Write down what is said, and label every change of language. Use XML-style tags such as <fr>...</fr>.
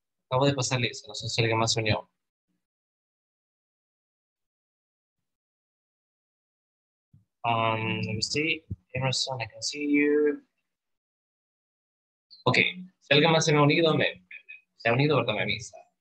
<es>Acabo de pasar lista, no sé si alguien más se unió.</es> <en>Let me see, Emerson, I can see you.</en> <es>Okay, si alguien más se me ha unido, se ha unido, ¿verdad? Me avisa.</es>